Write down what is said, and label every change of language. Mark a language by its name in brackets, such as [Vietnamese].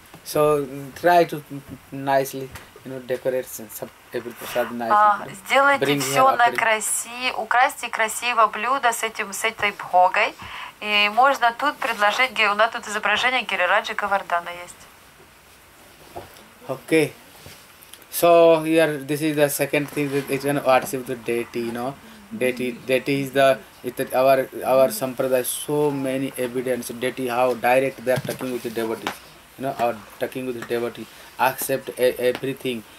[English] So try to nicely, you know, decorate some every prasad nicely. [Russian] Сделайте все на красиво, украсьте красиво блюдо с этой бхогой, и можно тут предложить, у нас тут изображение Гирираджи Говардана есть. [English] Okay, so here this is the second thing that is going to worship the deity, you know, deity is the our sampradaya so many evidence deity how direct they are talking with the devotees. You know, or talking with the devotee, accept everything.